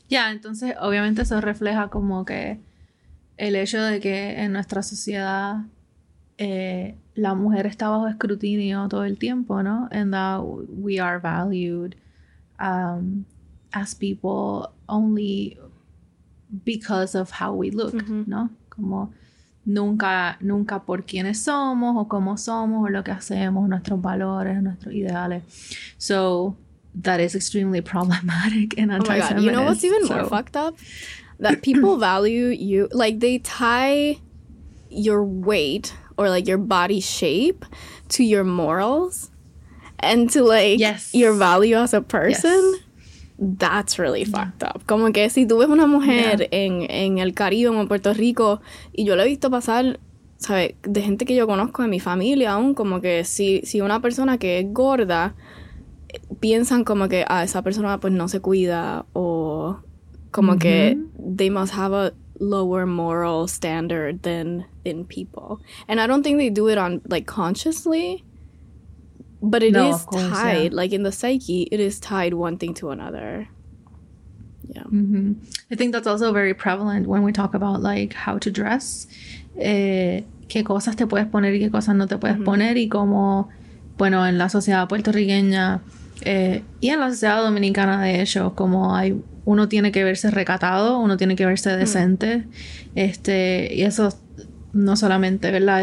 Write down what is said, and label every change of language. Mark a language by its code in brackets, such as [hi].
[es] Entonces obviamente eso refleja como que el hecho de que en nuestra sociedad la mujer está bajo escrutinio todo el tiempo, ¿no? [en] And that we are valued as people only because of how we look, ¿no? [es] Como nunca por quiénes somos o cómo somos o lo que hacemos, nuestros valores, nuestros ideales. [en] So that is extremely problematic and anti-feminist. Oh my God, you know what's even more fucked up? That people value you, like, they tie your weight or, like, your body shape to your morals and to, like, your value as a person. Yes. That's really fucked up. [es] Como que si tú ves una mujer en el Caribe o en Puerto Rico, y yo lo he visto pasar, ¿sabes? De gente que yo conozco, de mi familia aún, como que si una persona que es gorda, piensan como que, esa persona, pues, no se cuida o como que [en] they must have a lower moral standard than thin people. And I don't think they do it on, like, consciously. But it is tied. Yeah. Like, in the psyche, it is tied one thing to another. Yeah. Mm-hmm. I think that's also very prevalent when we talk about, like, how to dress. [es] ¿Qué cosas te puedes poner y qué cosas no te puedes poner? Y cómo, bueno, en la sociedad puertorriqueña y en la sociedad dominicana, de hecho, como hay... Uno tiene que verse recatado, uno tiene que verse decente. Y eso no solamente, ¿verdad?